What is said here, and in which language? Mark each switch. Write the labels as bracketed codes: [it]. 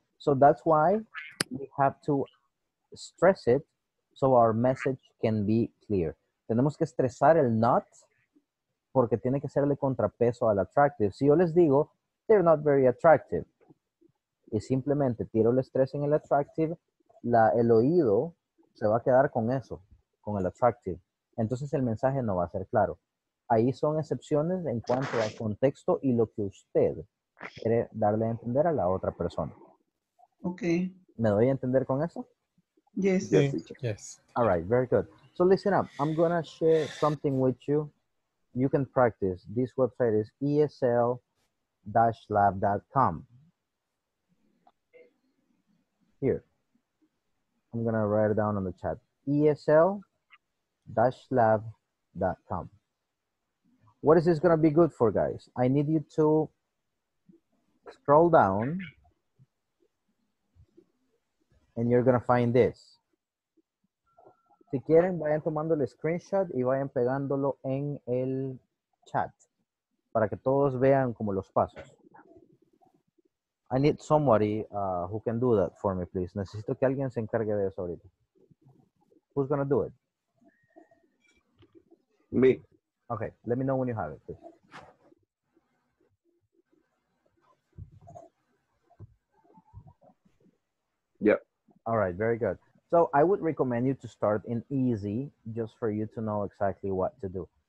[en] So that's why we have to stress it so our message can be clear. [es] Tenemos que estresar el not porque tiene que serle contrapeso al attractive. Si yo les digo, [en] they're not very attractive, [es] y simplemente tiro el estrés en el attractive, el oído se va a quedar con eso, con el attractive. Entonces el mensaje no va a ser claro. ahí son excepciones en cuanto al contexto y lo que usted quiere darle a entender a la otra persona. [en] Okay. [es] ¿Me doy a entender con eso? [en] Yes. Yes. All right, very good. So listen up, I'm going to share something with you. You can practice. This website is esl-lab.com. Here. I'm going to write it down on the chat. esl-lab.com. What is this going to be good for, guys? I need you to scroll down and you're going to find this. [es] Si quieren, vayan tomando el screenshot y vayan pegándolo en el chat para que todos vean como los pasos. [en] I need somebody who can do that for me, please. [es] Necesito que alguien se encargue de eso ahorita. [en] Who's going to do it? Me. Okay, let me know when you have it, please. Yep. All right, very good. So I would recommend you to start in easy just for you to know exactly what to do.